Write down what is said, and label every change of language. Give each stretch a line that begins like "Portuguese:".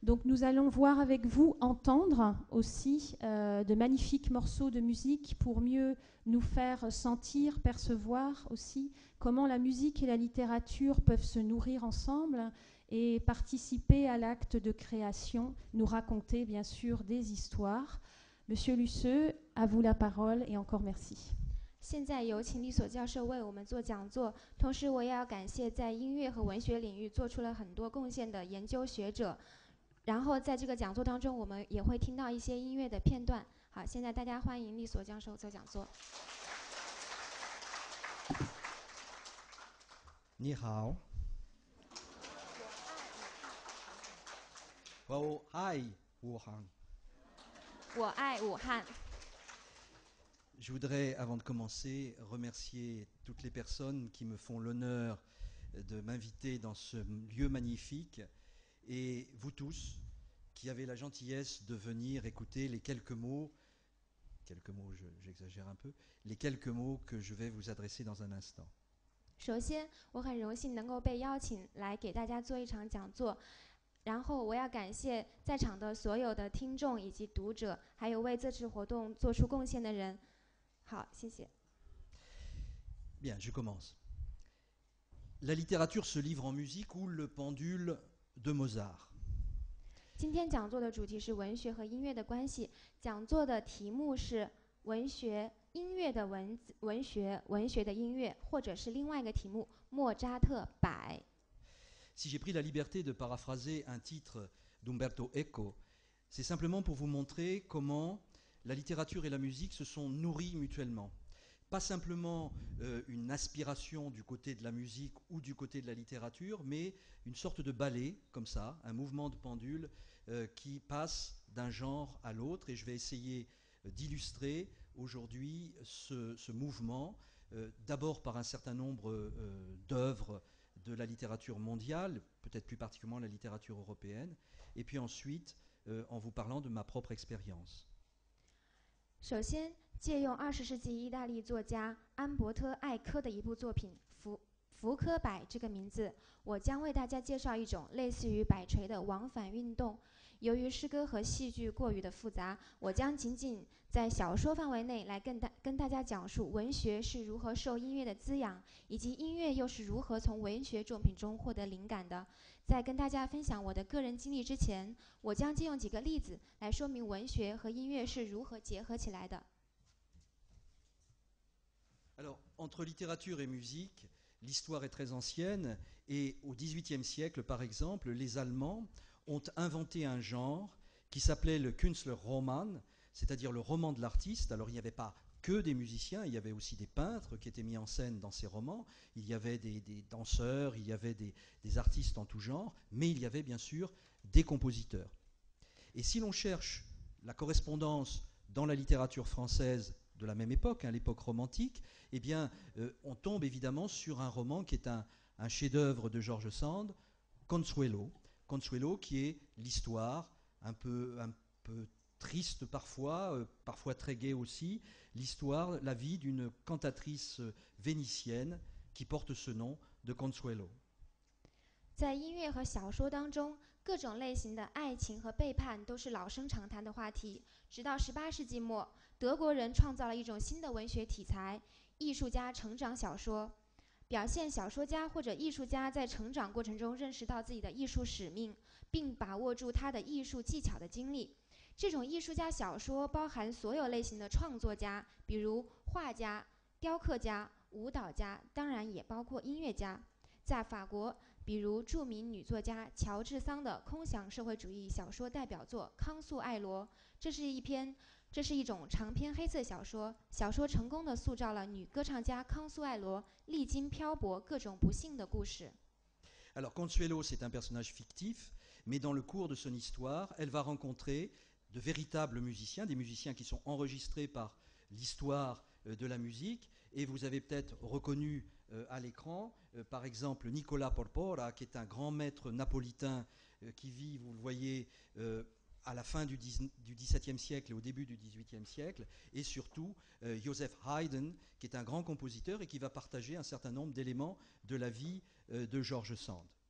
French: Donc nous allons voir avec vous entendre aussi de magnifiques morceaux de musique pour mieux nous faire sentir, percevoir aussi comment la musique et la littérature peuvent se nourrir ensemble et participer à l'acte de création, nous raconter bien sûr des histoires. Monsieur Luceux, à vous la parole et encore merci.
Chinese: 现在有请利索教授为我们做讲座，同时我也要感谢在音乐和文学领域做出了很多贡献的研究学者。然后在这个讲座当中，我们也会听到一些音乐的片段。好，现在大家欢迎利索教授做讲座。你好。我爱武汉。我爱武汉。
French: Je voudrais, avant de commencer, remercier toutes les personnes qui me font l'honneur de m'inviter dans ce lieu magnifique et vous tous qui avez la gentillesse de venir écouter les quelques mots, j'exagère un peu, les quelques mots que je vais vous adresser dans un instant.
Chinese: 首先，我很荣幸能够被邀请来给大家做一场讲座。然后我要感谢在场的所有的听众以及读者，还有为这次活动做出贡献的人。好，谢谢。
French: Bien, je commence. La littérature se livre en musique ou le pendule de Mozart.
Chinese: 今天讲座的主题是文学和音乐的关系。讲座的题目是文学、音乐的文学、文学的音乐，或者是另外一个题目，莫扎特百。
French: Si j'ai pris la liberté de paraphraser un titre d'Umberto Eco, c'est simplement pour vous montrer comment la littérature et la musique se sont nourries mutuellement. Pas simplement une aspiration du côté de la musique ou du côté de la littérature, mais une sorte de ballet, comme ça, un mouvement de pendule qui passe d'un genre à l'autre. Et je vais essayer d'illustrer aujourd'hui ce mouvement, d'abord par un certain nombre d'œuvres,de la littérature mondiale, peut-être plus particulièrement la littérature européenne, et puis ensuite, en vous parlant de ma propre expérience.
Chinese: 首先，借用20世纪意大利作家安伯特·艾科的一部作品《 福柯柏这个名字，我将为大家介绍一种类似于摆锤的往返运动。由于诗歌和戏剧过于的复杂，我将仅仅在小说范围内来跟大家讲述文学是如何受音乐的滋养，以及音乐又是如何从文学作品中获得灵感的。在跟大家分享我的个人经历之前，我将借用几个例子来说明文学和音乐是如何结合起来的。
French: Alors, entre littérature et musique, l'histoire est très ancienne et au XVIIIe siècle, par exemple, les Allemands ont inventé un genre qui s'appelait le Künstlerroman, c'est-à-dire le roman de l'artiste. Alors, il n'y avait pas que des musiciens, il y avait aussi des peintres qui étaient mis en scène dans ces romans, il y avait des danseurs, il y avait des artistes en tout genre, mais il y avait bien sûr des compositeurs. Et si l'on cherche la correspondance dans la littérature française de la même époque, hein, l'époque romantique, eh bien, on tombe évidemment sur un roman qui est un chef-d'œuvre de George Sand, Consuelo. Consuelo qui est l'histoire, un peu triste parfois, parfois très gaie aussi, l'histoire, la vie d'une cantatrice vénitienne qui porte ce nom de Consuelo.
Chinese: 在音乐和小说当中，各种类型的爱情和背叛都是老生常谈的话题。直到18世纪末，德国人创造了一种新的文学题材——艺术家成长小说，表现小说家或者艺术家在成长过程中认识到自己的艺术使命，并把握住他的艺术技巧的经历。这种艺术家小说包含所有类型的创作家，比如画家、雕刻家、舞蹈家，当然也包括音乐家。在法国，比如著名女作家乔治桑的空想社会主义小说代表作《康素艾罗》，这是一种长篇黑色小说。小说成功地塑造了女歌唱家康素艾罗历经漂泊、各种不幸的故事。
French: Alors, Consuelo, c'est un personnage fictif, mais dans le cours de son histoire, elle va rencontrer de véritables musiciens, des musiciens qui sont enregistrés par l'histoire de la musique. Et vous avez peut-être reconnu à l'écran, par exemple, Nicola Porpora, qui est un grand maître napolitain qui vit, vous le voyez, à la fin du XVIIe siècle et au début du XVIIIe siècle, et surtout Joseph Haydn, qui est un grand compositeur et qui va partager un certain nombre d'éléments de la vie de George Sand.